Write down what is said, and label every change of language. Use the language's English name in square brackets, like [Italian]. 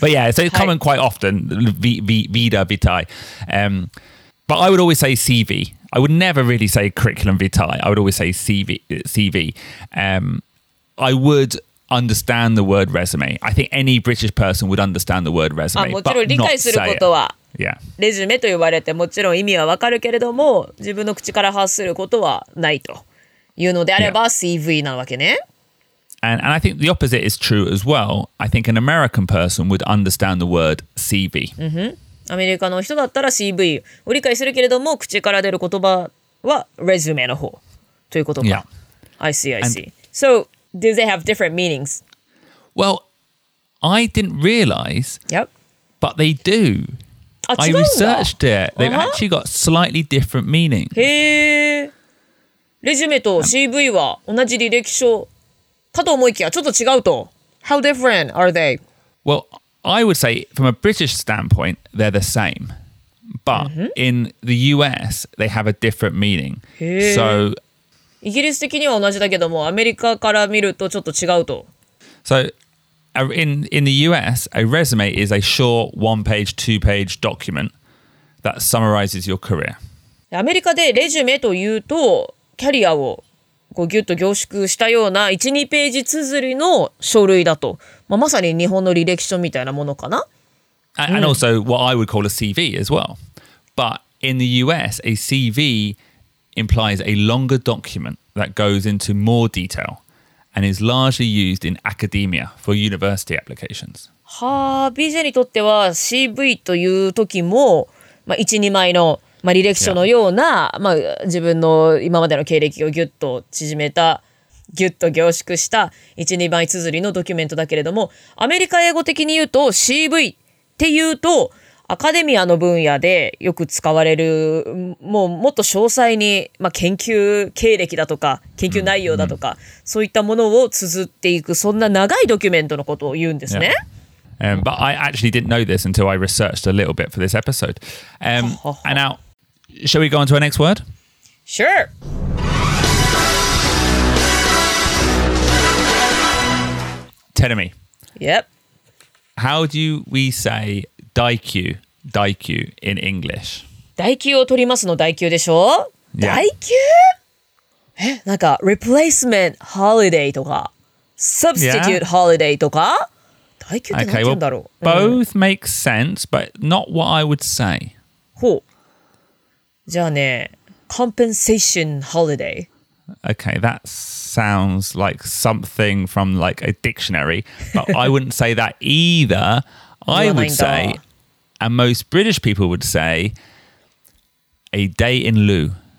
[English] But yeah, so it's common quite often, vida, vitae.、But I would always say CV. I would never really say curriculum vitae. I would always say CV.、I would understand the word resume. I think any British person would understand the word resume, but not say it. [Japanese] もちろん理解することは、レジュメと呼ばれて、もちろん意味はわかるけれども、自分の口から発することはないというのであれば、CV なわけね。 [English] And I think the opposite is true as well. I think an American person would understand the word CV. Mm-hmm. [Japanese] アメリカの人だったら CV を理解するけれども、口から出る言葉はレジュメの方ということか。 [English] Yeah. I see, I see. So... Do they have different meanings? Well, I didn't realize, yep. but they do. I researched it. They've、 uh-huh. actually got slightly different meanings. へー。 [Japanese] レジュメと CV は同じ履歴書かと思いきやちょっと違うと。 [English] How different are they? Well, I would say from a British standpoint, they're the same. But、mm-hmm. in the US, they have a different meaning. へー。 So, [Japanese] イギリス的には同じだけども、アメリカから見るとちょっと違うと。 [English] So, in the US, a resume is a short one-page, two-page document that summarizes your career. [Japanese] アメリカでレジュメというと、キャリアをこうギュッと凝縮したような1、2ページ綴りの書類だと。まあ、まさに日本の履歴書みたいなものかな。 [English] And also what I would call a CV as well. But in the US, a CVimplies a longer document that goes into more detail and is largely used in academia for university applications. [Japanese] はあ、BJ にとっては CV という時も、まあ、1、2枚の、まあ、履歴書のような、yeah. まあ、自分の今までの経歴をギュッと縮めた、ギュッと凝縮した 1,2 枚綴りのドキュメントだけれども、アメリカ英語的に言うと CV っていうとアカデミアの分野でよく使われる、もうもっと詳細に、まあ、研究経歴だとか研究内容だとか、mm-hmm. そういったものを綴っていく、そんな長いドキュメントのことを言うんですね、 [English] yeah. But I actually didn't know this until I researched a little bit for this episode. And now, shall we go on to our next word? Sure! Tenami. Yep. How do we say... Daikyu, Daikyu in English. [Japanese] Daikyu を取りますの Daikyu でしょ、 [English] yeah. [Japanese] Daikyu? え、なんか Replacement Holiday とか Substitute、yeah. Holiday とか Daikyu って何て言うんだろう、 [English] okay. well, Both make sense, but not what I would say. ほう。 [Japanese] じゃあね、Compensation Holiday。 [English] Okay, that sounds like something from like a dictionary, but I wouldn't say that either. I would say, and most British people would say, a day in lieu.